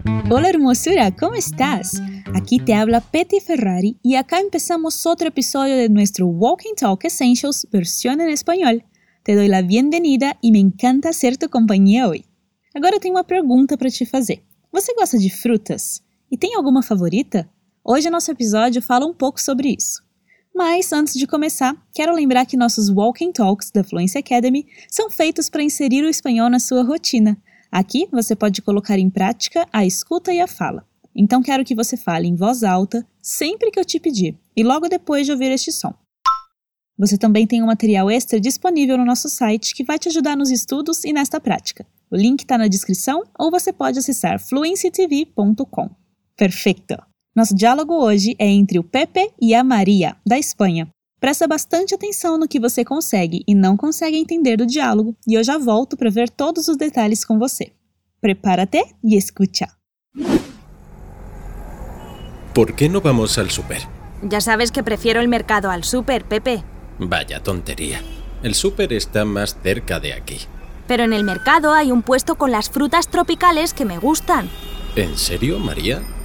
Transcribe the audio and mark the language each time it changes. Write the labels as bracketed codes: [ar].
[es] Hola hermosura, ¿cómo estás? Aquí te habla Petty Ferrari y acá empezamos otro episodio de nuestro Walking Talk Essentials versión en español. Te doy la bienvenida y me encanta ser tu compañía hoy. [pt] Agora tenho uma pergunta para te fazer. Você gosta de frutas? E tem alguma favorita? Hoje nosso episódio fala um pouco sobre isso. Mas antes de começar, quero lembrar que nossos Walking Talks da Fluency Academy são feitos para inserir o espanhol na sua rotina. Aqui você pode colocar em prática a escuta e a fala. Então quero que você fale em voz alta sempre que eu te pedir e logo depois de ouvir este som. Você também tem um material extra disponível no nosso site que vai te ajudar nos estudos e nesta prática. O link está na descrição ou você pode acessar fluencytv.com. Perfeito! Nosso diálogo hoje é entre o Pepe e a Maria, da Espanha. Presta bastante atenção no que você consegue e não consegue entender do diálogo e eu já volto para ver todos os detalhes com você. [es] Prepárate y escucha. ¿Por qué no vamos al súper? Ya sabes que prefiero el mercado al súper, Pepe. Vaya tontería. El súper está más cerca de aquí. Pero en el mercado hay un puesto con las frutas tropicales que me gustan. ¿En serio, María?